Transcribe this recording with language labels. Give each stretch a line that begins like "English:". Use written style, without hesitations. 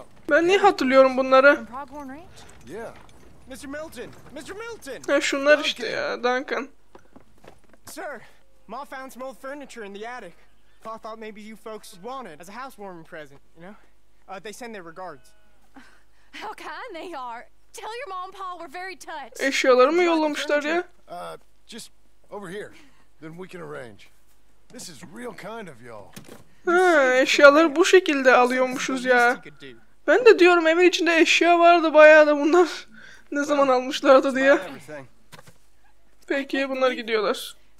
Turkish: Ben niye hatırlıyorum bunları?
English: Yeah. Mr. Milton. Mr. Milton.
Turkish: Ha, şunlar işte ya, Duncan.
English: Sir, Ma found some old furniture in the attic. Pa thought maybe you folks wanted as a housewarming present, you know? They send their regards. How kind they are. Tell your mom and Pa we're very touched.
Turkish: Eşyaları mı yollamışlar ya?
English: Just over here. Then we can arrange. This is real kind of y'all.
Turkish: Ha, eşyaları bu şekilde alıyormuşuz ya. Ben de diyorum evin içinde eşya vardı bayağı da bunlar. Ne zaman almışlardı diye. Peki bunlar gidiyorlar.